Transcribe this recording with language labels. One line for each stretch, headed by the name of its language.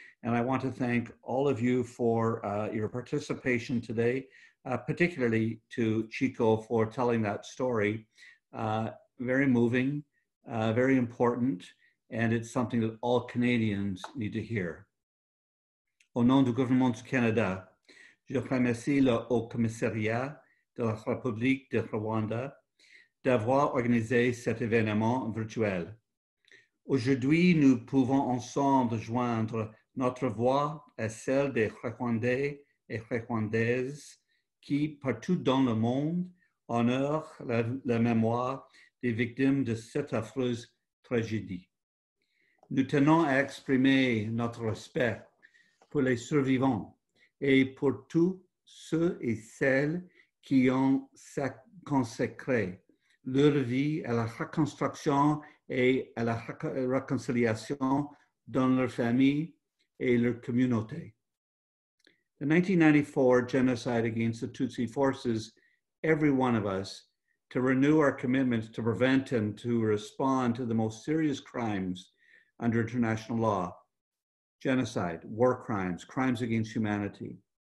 English: And I want to thank all of you for your participation today, particularly to Chico for telling that story. Very moving, very important, and it's something that all Canadians need to hear.
French: Au nom du gouvernement du Canada, je remercie le Haut Commissariat de la République de Rwanda d'avoir organisé cet événement virtuel. Aujourd'hui, nous pouvons ensemble joindre notre voix est celle des Rwandais et Rwandaises qui, partout dans le monde, honorent la mémoire des victimes de cette affreuse tragédie. Nous tenons à exprimer notre respect pour les survivants et pour tous ceux et celles qui ont consacré leur vie à la reconstruction et à la réconciliation dans leur famille et leur communauté.
English: The 1994 genocide against the Tutsi forces every one of us to renew our commitments to prevent and to respond to the most serious crimes under international law: genocide, war crimes, crimes against humanity.